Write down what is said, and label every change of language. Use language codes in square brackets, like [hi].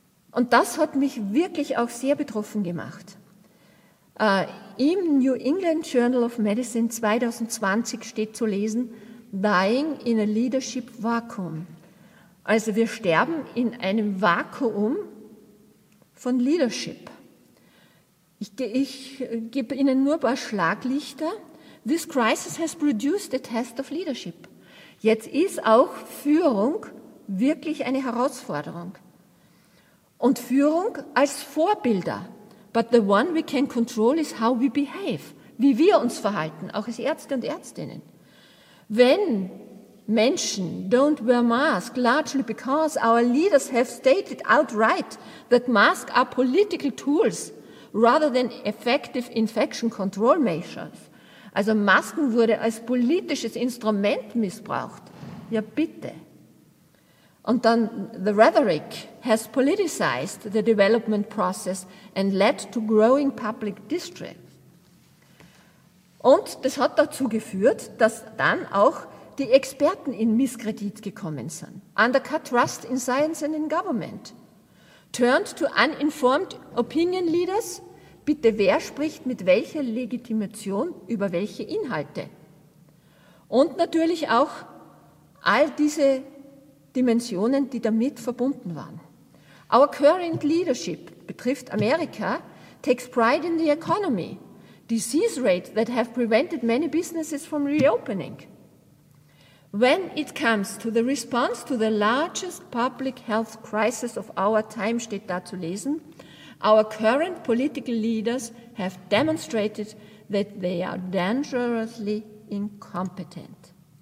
[de] Und das hat mich wirklich auch sehr betroffen gemacht. Im New England Journal of Medicine 2020 steht zu lesen, [en] Dying in a Leadership Vacuum. [de] Also wir sterben in einem Vakuum von Leadership. Ich gebe Ihnen nur ein paar Schlaglichter. [en] This crisis has produced a test of leadership. [de] Jetzt ist auch Führung wirklich eine Herausforderung. Und Führung als Vorbilder. [en] But the one we can control is how we behave, [de] wie wir uns verhalten, auch als Ärzte und Ärztinnen. Wenn Menschen [en] don't wear masks largely because our leaders have stated outright that masks are political tools rather than effective infection control measures. [de] Also Masken wurde als politisches Instrument missbraucht. Ja, bitte. Und dann, [en] the rhetoric has politicized the development process and led to growing public distrust. [de] Und das hat dazu geführt, dass dann auch die Experten in Misskredit gekommen sind. [en] Undercut trust in science and in government. Turned to uninformed opinion leaders. [de] Bitte, wer spricht mit welcher Legitimation über welche Inhalte? Und natürlich auch all diese Dimensionen, die damit verbunden waren. [en] Our current leadership, [de] betrifft Amerika, [en] takes pride in the economy, disease rates that have prevented many businesses from reopening. When it comes to the response to the largest public health crisis of our time, [de] steht da zu lesen, [en] our current political leaders have demonstrated that they are dangerously incompetent.